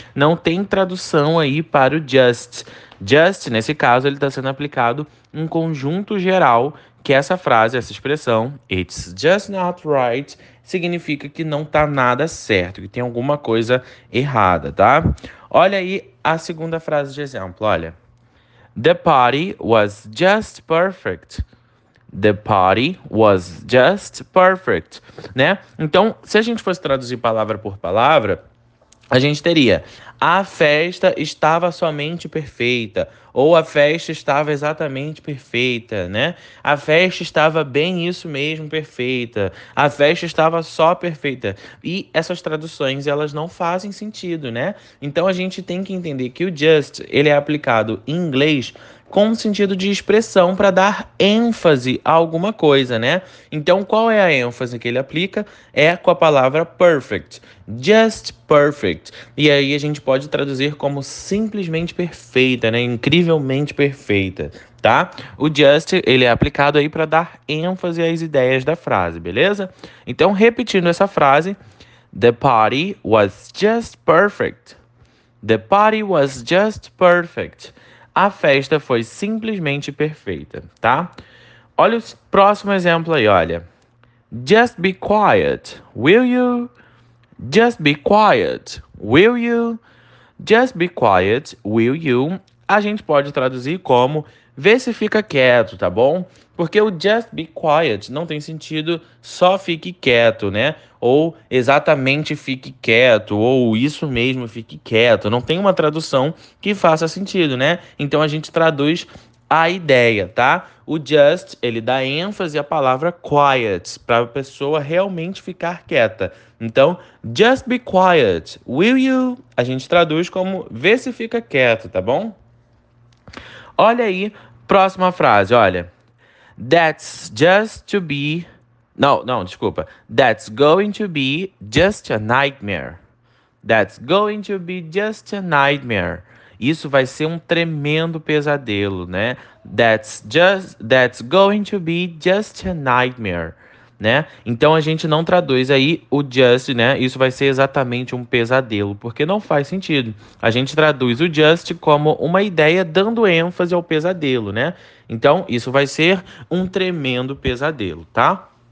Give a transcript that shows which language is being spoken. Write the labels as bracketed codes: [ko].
[pt] Não tem tradução aí para o just. Just, nesse caso, ele está sendo aplicado em conjunto geral, que essa frase, essa expressão, [en] it's just not right, [pt] significa que não tá nada certo, que tem alguma coisa errada, tá? Olha aí a segunda frase de exemplo, olha. [en] The party was just perfect. The party was just perfect, né? [pt] Então, se a gente fosse traduzir palavra por palavra, a gente teria: a festa estava somente perfeita, ou a festa estava exatamente perfeita, né? A festa estava bem isso mesmo, perfeita. A festa estava só perfeita. E essas traduções, elas não fazem sentido, né? Então a gente tem que entender que o just, ele é aplicado em inglês com sentido de expressão para dar ênfase a alguma coisa, né? Então, qual é a ênfase que ele aplica? É com a palavra perfect, just perfect. E aí a gente pode traduzir como simplesmente perfeita, né? Incrivelmente perfeita, tá? O just, ele é aplicado aí para dar ênfase às ideias da frase, beleza? Então, repetindo essa frase: [en] The party was just perfect. The party was just perfect. [pt] A festa foi simplesmente perfeita, tá? Olha o próximo exemplo aí, olha. [en] Just be quiet, will you? Just be quiet, will you? Just be quiet, will you? [pt] A gente pode traduzir como: vê se fica quieto, tá bom? Porque o [en] just be quiet [pt] não tem sentido só fique quieto, né? Ou exatamente fique quieto, ou isso mesmo fique quieto. Não tem uma tradução que faça sentido, né? Então a gente traduz a ideia, tá? O just, ele dá ênfase à palavra quiet, para a pessoa realmente ficar quieta. [en] Então, just be quiet, will you? [pt] A gente traduz como: vê se fica quieto, tá bom? Olha aí, próxima frase, olha. [en] That's just to be. [pt] Não, não, desculpa. [en] That's going to be just a nightmare. That's going to be just a nightmare. [pt] Isso vai ser um tremendo pesadelo, né? [en] That's going to be just a nightmare, né? [pt] Então a gente não traduz aí o just, né? Isso vai ser exatamente um pesadelo, porque não faz sentido. A gente traduz o just como uma ideia dando ênfase ao pesadelo, né? Então isso vai ser um tremendo pesadelo, tá?